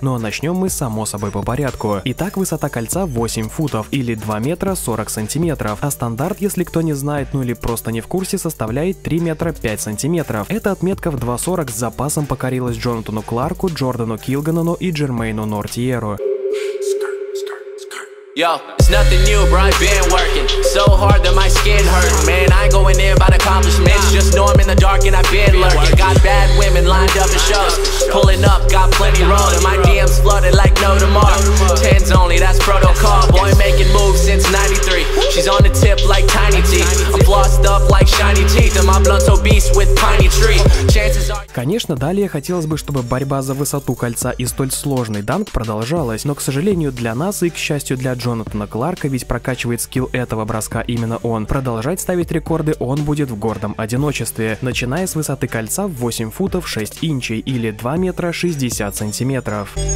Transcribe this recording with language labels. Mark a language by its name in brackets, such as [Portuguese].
[Russian] Ну а начнем мы, само собой, по порядку. Итак, высота кольца 8 футов, или 2 метра 40 сантиметров, а стандарт, если кто не знает, ну или просто не в курсе, составляет 3 метра 5 сантиметров. Эта отметка в 2.40 с запасом покорилась Джонатану Кларку, Джордану Килгеннону и Джермейну Нортьеру. [English] Yo, it's nothing new, bro, I've been working so hard that my skin hurts. Man, I ain't going in about accomplishments, just know I'm in the dark and I've been lurking. Got bad women lined up in shows, pulling up, got plenty rolling. My DMs flooded like no tomorrow. Tens only, that's protocol. Boy, making moves since 93. She's on the tip like tiny teeth. I'm flossed up like shiny teeth. And my blunt's obese with piney tree. Chances are... [Russian] Конечно, далее хотелось бы, чтобы борьба за высоту кольца и столь сложный данк продолжалась, но, к сожалению, для нас и, к счастью, для Джонатана Кларка, ведь прокачивает скилл этого броска именно он. Продолжать ставить рекорды он будет в гордом одиночестве, начиная с высоты кольца в 8 футов 6 инчей, или 2 метра 60 сантиметров.